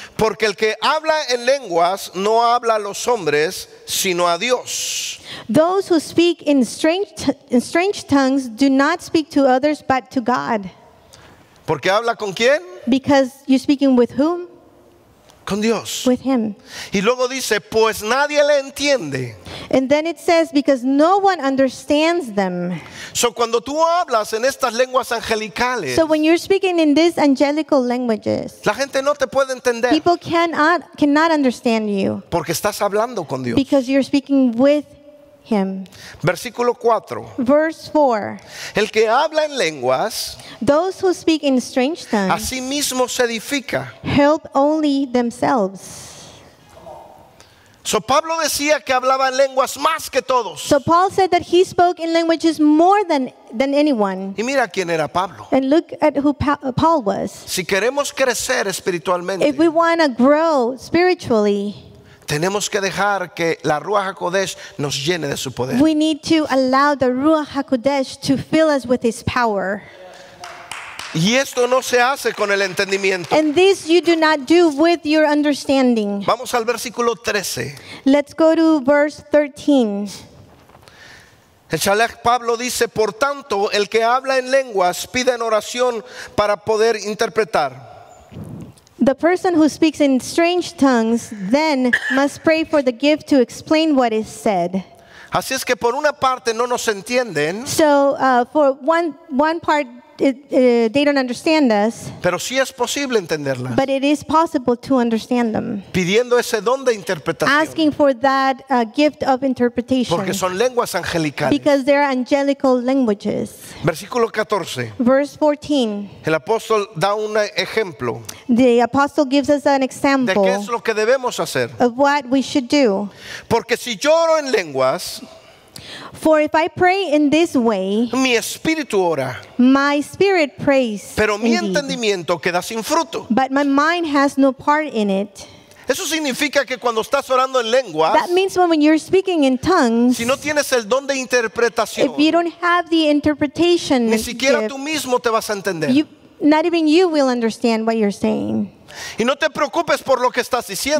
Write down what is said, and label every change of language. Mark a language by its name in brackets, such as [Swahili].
[Spanish] Porque el que habla en lenguas no habla a los hombres sino a Dios. [English] Those who speak in strange tongues do not speak to others but to God. [Spanish] ¿Porque habla con quién? [English] Because you're speaking with whom? [Spanish] Con Dios. [English] With him. [Spanish] Y luego dice, pues nadie le entiende. [English] And then it says, because no one understands them. [Spanish] So cuando tú hablas en estas lenguas angelicales, [English] so when you're speaking in these angelical languages, [Spanish] la gente no te puede entender. [English] People cannot understand you. [Spanish] Porque estás hablando con Dios. [English] Because you're speaking with him. [Spanish] Versículo 4. [English] Verse 4. [Spanish] El que habla en lenguas, [English] those who speak in strange tongues, [Spanish] a sí mismo se edifica. [English] Help only themselves. [Spanish] So Pablo decía que hablaba en lenguas más que todos. [English] So Paul said that he spoke in languages more than anyone. [Spanish] Y mira quién era Pablo. [English] And look at who Paul was. [Spanish] Si queremos crecer espiritualmente, [English] if we want to grow spiritually, [Spanish] tenemos que dejar que la Ruach HaKodesh nos llene de su poder. [English] We need to allow the Ruach HaKodesh to fill us with his power. [Spanish] Y esto no se hace con el entendimiento. [English] And this you do not do with your understanding. [Spanish] Vamos al versículo 13. [English] Let's go to verse 13. [Spanish] El Shalach Pablo dice, por tanto, el que habla en lenguas pide en oración para poder interpretar. [English] The person who speaks in strange tongues then must pray for the gift to explain what is said. [Spanish] Así es que por una parte no nos entienden. [English] So for one part they don't understand us. [Spanish] Pero sí es posible entenderla. [English] But it is possible to understand them. [Spanish] Pidiendo ese don de interpretación. [English] Asking for that gift of interpretation. [Spanish] Porque son lenguas angelicales. [English] Because they are angelical languages. [Spanish] Versículo 14. [English] Verse 14. [Spanish] El apóstol da un ejemplo. [English] The apostle gives us an example. [Spanish] De qué es lo que debemos hacer. [English] Of what we should do. [Spanish] Porque si lloro en lenguas, [English] for if I pray in this way, [Spanish] mi espíritu ora, [English] my spirit prays, [Spanish] pero mi entendimiento queda sin fruto. [English] But my mind has no part in it. [Spanish] Eso significa que cuando estás orando en lenguas, [English] that means when you're speaking in tongues, [Spanish] si no tienes el don de interpretación, [English] if you don't have the interpretation, [Spanish] ni siquiera tú mismo te vas a entender. [English] Not even you will understand what you're saying. [Spanish] Y no te preocupes por lo que estás diciendo.